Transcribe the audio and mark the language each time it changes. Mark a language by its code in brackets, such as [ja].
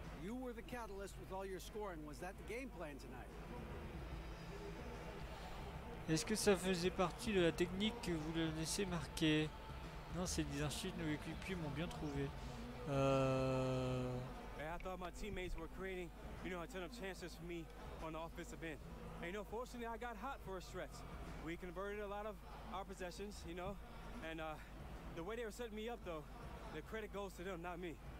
[en] You were the catalyst with all your scoring. Was that the game plan tonight? [fr] Est-ce que ça faisait partie de la technique que vous le laissez marquer? Non, c'est des archives, nos équipiers m'ont bien trouvé. [en] I thought my teammates were creating, you know, a ton of chances for me on the offensive end. And you know, fortunately, I got hot for a stretch. We converted a lot of our possessions, you know. And the way they were setting me up, though, the credit goes to them, not me.